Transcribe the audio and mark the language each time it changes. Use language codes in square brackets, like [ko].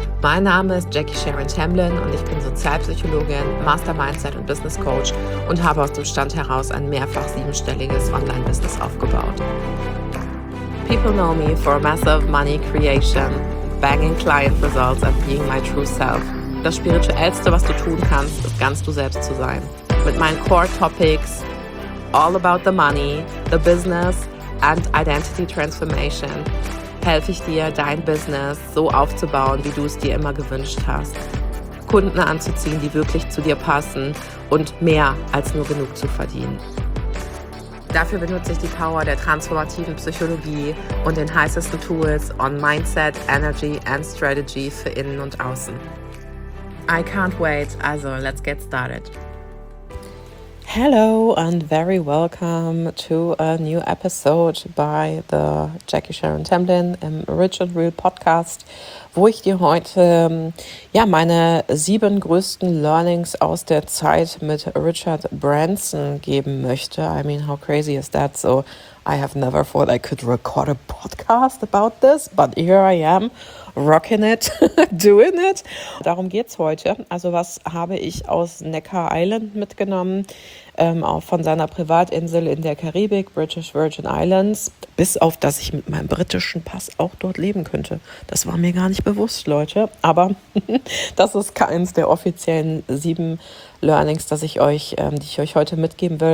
[de] Mein Name ist Jackie Sharon Tamblyn und ich bin Sozialpsychologin, Master Mindset und Business Coach und habe aus dem Stand heraus ein mehrfach siebenstelliges Online-Business aufgebaut. [en] People know me for massive money creation, banging client results and being my true self. [de] Das Spirituellste, was du tun kannst, ist ganz du selbst zu sein. Mit meinen Core Topics, [en] all about the money, the business and identity transformation, [de] helfe ich dir, dein Business so aufzubauen, wie du es dir immer gewünscht hast. Kunden anzuziehen, die wirklich zu dir passen und mehr als nur genug zu verdienen. Dafür benutze ich die Power der transformativen Psychologie und den heißesten Tools [en] on Mindset, Energy and Strategy [de] für Innen und Außen. [en] I can't wait, also let's get started. Hello and very welcome to a new episode [de] by the Jackie Sharon Tamblyn im Rich and Real Podcast, wo ich dir heute meine sieben größten Learnings aus der Zeit mit Richard Branson geben möchte. [en] I mean, how crazy is that? So I have never thought I could record a podcast about this, but here I am, rocking it, doing it. [de] Darum geht's heute. Also was habe ich aus Necker Island mitgenommen, auch von seiner Privatinsel in der Karibik, British Virgin Islands, bis auf, dass ich mit meinem britischen Pass auch dort leben könnte. Das war mir gar nicht bewusst, Leute. Aber das ist keins der offiziellen sieben Learnings, die ich euch heute mitgeben will.